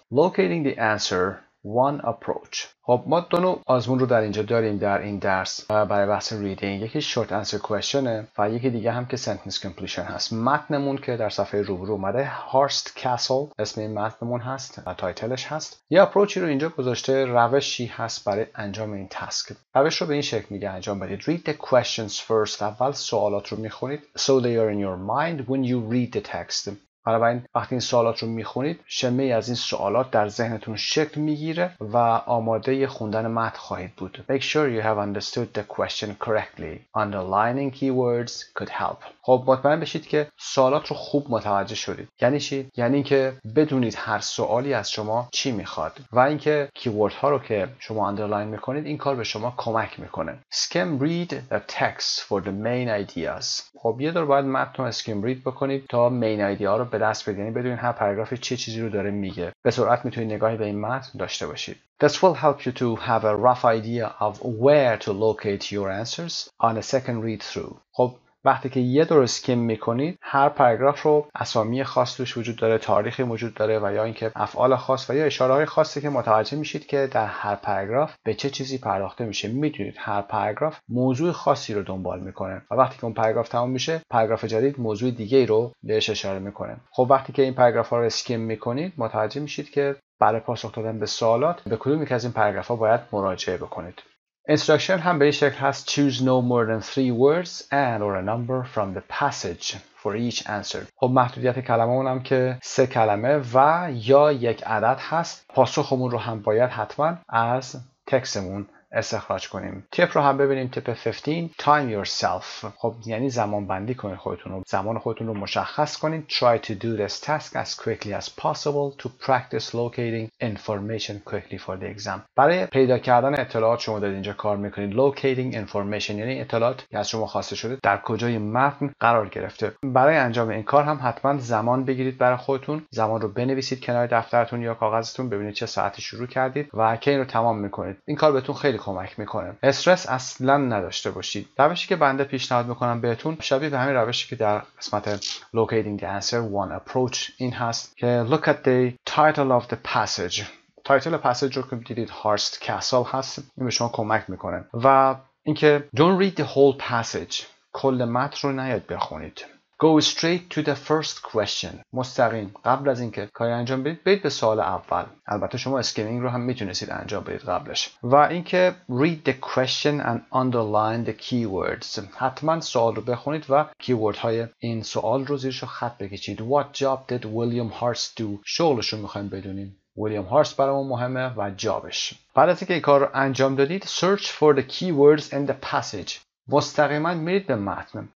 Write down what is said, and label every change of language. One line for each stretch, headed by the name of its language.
English: Locating the answer, one approach.
Persian: خب ما دو نوع آزمون رو در اینجا داریم در این درس برای بحث reading. یکی short answer questionه و یکی دیگه هم که sentence completion هست. متنمون که در صفحه روبرو اومده Horst Castle اسم این متنمون هست و تایتلش هست. یه approachی رو اینجا گذاشته، روشی هست برای انجام این task. روش رو به این شکل میگه انجام بدید.
English: Read the questions first.
Persian: اول سوالات رو میخونید.
English: So they are in your mind when you read the text.
Persian: بنابراین وقتی این سوالات رو میخونید شمه ای از این سوالات در ذهنتون شکل میگیره و آماده خوندن متن خواهید بود.
English: Make sure you have understood the question correctly. Underlining keywords could help.
Persian: خب مطمئن بشید که سوالات رو خوب متوجه شدید. یعنی چی؟ یعنی که بدونید هر سوالی از شما چی میخواد و اینکه کیوردها رو که شما underline میکنید این کار به شما کمک میکنه.
English: Skim read the text for the main ideas.
Persian: خب یه دور باید متن رو
English: skim read
Persian: بکنید تا
English: main idea
Persian: رو به دست بدید. یعنی بدونید هر پاراگراف چه چیزی رو داره میگه. به سرعت میتونید نگاهی به این متن داشته باشید.
English: This will help you to have a rough idea of where to locate your answers on a second read through.
Persian: خب وقتی که یه دور اسکیم میکنید هر پاراگراف رو اسامی خاص توش وجود داره، تاریخی وجود داره و یا اینکه افعال خاص و یا اشاره های خاصی که متوجه میشید که در هر پاراگراف به چه چیزی پرداخته میشه. میدونید هر پاراگراف موضوع خاصی رو دنبال میکنه و وقتی که اون پاراگراف تموم میشه پاراگراف جدید موضوع دیگه‌ای رو بهش اشاره میکنه. خب وقتی که این پاراگراف ها رو اسکیم میکنید متوجه میشید که برای پاسخ دادن به سوالات به کدوم یکی از این پاراگراف ها باید مراجعه بکنید. Instruction هم به این شکل هست.
English: Choose no more than three words and or a number from the passage for each answer.
Persian: خب محدودیت کلمه اونم که سه کلمه و یا یک عدد هست. پاسخمون رو هم باید حتما از تکستمون استخراج کنیم. تپ رو هم ببینیم، تپ 15،
English: time yourself.
Persian: خب یعنی زمان بندی کنید خودتون رو، زمان خودتون رو مشخص کنید.
English: Try to do this task as quickly as possible to practice locating information quickly for the exam.
Persian: برای پیدا کردن اطلاعات شما دارید اینجا کار میکنید.
English: Locating information
Persian: یعنی اطلاعات که از شما خواسته شده در کجای متن قرار گرفته. برای انجام این کار هم حتما زمان بگیرید برای خودتون، زمان رو بنویسید کنار دفترتون یا کاغذتون، ببینید چه ساعتی شروع کردید و کی رو تمام میکنید. این کار بهتون خیلی کمک میکنه. استرس اصلا نداشته باشید. روشی که بنده پیشنهاد میکنم بهتون شبیه به همین روشی که در قسمت
English: locating the answer one approach
Persian: این هست که
English: look at the title of the passage.
Persian: تایتل پسیج رو که دیدید هارست کاسل هست، این به شما کمک میکنه. و اینکه
English: don't read the whole passage،
Persian: کل متن رو نیاد بخونید.
English: Go straight to the first question.
Persian: مستقیم قبل از اینکه کاری انجام بدید برید به سوال اول. البته شما اسکیمینگ رو هم میتونستید انجام بدید قبلش. و اینکه
English: read the question and underline the keywords.
Persian: حتما سوال رو بخونید و کیورد های این سوال رو زیرش رو خط بکشید.
English: What job did William Hurst do?
Persian: شغلش رو میخواییم بدونیم. ویلیام هارست برامون مهمه و جابش. بعد از اینکه این کار رو انجام دادید
English: search for the keywords in the passage.
Persian: مستقیما میرید به متن.